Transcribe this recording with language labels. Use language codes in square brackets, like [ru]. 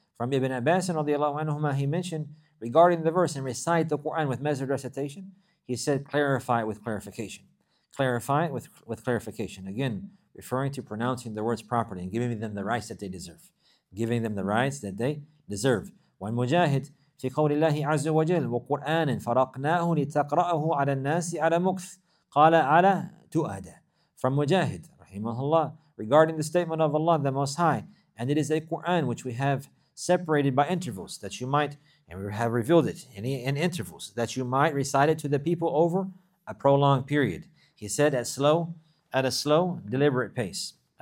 [en] From Ibn Abbas radiallahu anhuma, he mentioned, regarding the verse, and recite the Qur'an with measured recitation, he said, clarify it with clarification. Clarify it with clarification. Again, referring to pronouncing the words properly and giving them the rights that they deserve. Giving them the rights that they deserve. One mujahid, [ar] في قول الله عز وجل وقرآن فرقناه لتقرأه على الناس على مكث قال على تؤدى. [en] From Mujahid, رحمه الله, regarding the statement of Allah, the Most High, and it is a Qur'an which we have separated by intervals, that you might, and we have revealed it in intervals, that you might recite it to the people over a prolonged period. He said at a slow, deliberate pace.